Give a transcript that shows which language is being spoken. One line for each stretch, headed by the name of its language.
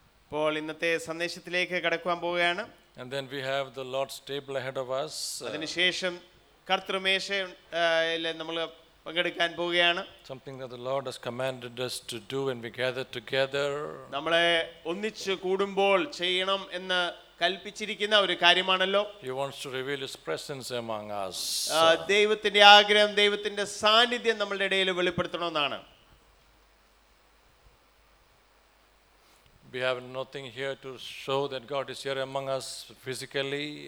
Malayalam: Paul ഇന്നത്തെ സന്ദേശത്തിലേക്ക് കടക്കാൻ പോവുകയാണ്.
English: And then we have the Lord's table ahead of us.
Malayalam: അതിനു ശേഷം കർത്തൃമേശയിലെ നമ്മൾ പങ്കെടുക്കാൻ പോവുകയാണ്.
English: Something that the Lord has commanded us to do when we gather together.
Malayalam: നമ്മളെ ഒന്നിച്ച് കൂടുമ്പോൾ ചെയ്യണം എന്ന് കൽപ്പിച്ചിരിക്കുന്ന ഒരു കാര്യമാണല്ലോ.
English: He wants to reveal his presence among us.
Malayalam: ദൈവത്തിന്റെ ആഗ്രഹം, ദൈവത്തിന്റെ സാന്നിധ്യം നമ്മുടെ ഇടയിൽ വെളിപ്പെടുത്തണമെന്നാണ്.
English: We have nothing here to show that God is here among us physically.